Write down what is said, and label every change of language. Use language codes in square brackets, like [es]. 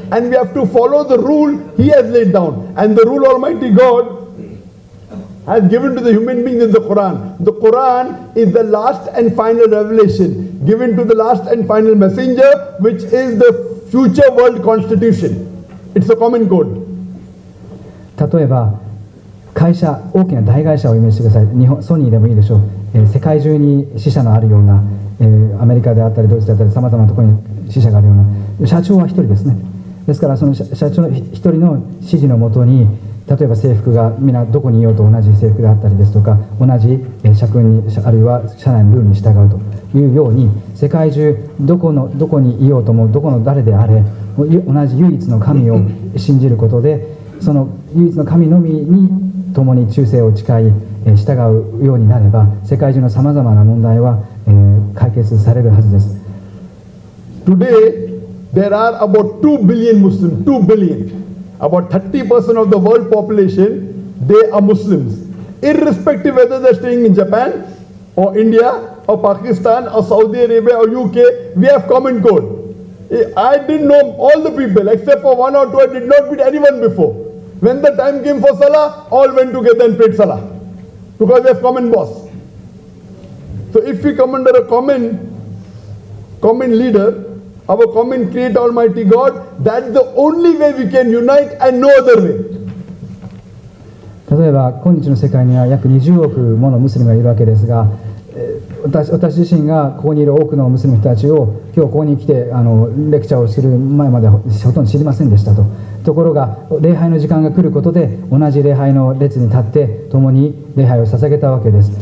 [en] And we have to follow the rule He has laid down. And the rule Almighty God I've given to the human being in the Quran. The Quran is the last and final revelation given to the last and final messenger, which is the future world constitution. It's a common code. [ja] 例えば会社、大きな大会社をイメージしてください。日本、ソニーでもいいでしょう。世界中に支社のあるような、アメリカであったりドイツであったり、さまざまなところに支社があるような社長は一人ですね。ですからその社長の一人の指示のもとに、例えば制服がみんなどこにいようと同じ制服であったりですとか、同じ社訓に、あるいは社内のルールに従うというように、世界中どこにいようとも、どこの誰であれ、同じ唯一の神を信じることで、その唯一の神のみに共に忠誠を誓い従うようになれば、世界中のさまざまな問題は解決されるはずです。 [en] Today there are about 2 billion Muslims, 2 billion, about 30% of the world population, they are Muslims, irrespective whether they're staying in Japan or India or Pakistan or Saudi Arabia or UK, we have common code. I didn't know all the people except for one or two. I did not meet anyone before. When the time came for Salah, all went together and prayed Salah because they have common boss. So if we come under a common leader, our common creator, Almighty God, that's the only way we can unite and no other way. [ja] 例えば今日の世界には約20億ものムスリムがいるわけですが、私自身がここにいる多くのムスリム人たちを今日ここに来てレクチャーをする前まで ほとんど知りませんでしたと。ところが礼拝の時間が来ることで、同じ礼拝の列に立って共に礼拝を捧げたわけです。